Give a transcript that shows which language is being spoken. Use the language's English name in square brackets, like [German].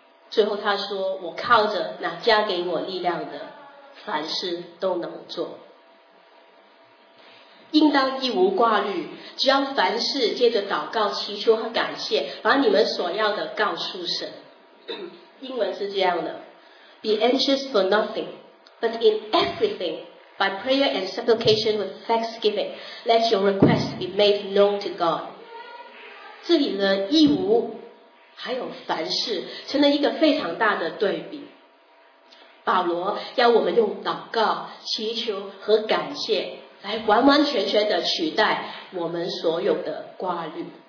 [Chinese] 最后他说，我靠着那加给我力量的，凡事都能做。应当一无挂虑，只要凡事借着祷告祈求和感谢把你们所要的告诉神。英文是这样的， [English] Be anxious for nothing, but in everything, by prayer and supplication with thanksgiving, let your requests be made known to God. [Chinese] 这里的一无还有凡事成了一个非常大的对比。保罗要我们用祷告祈求和感谢来完完全全的取代我们所有的挂虑。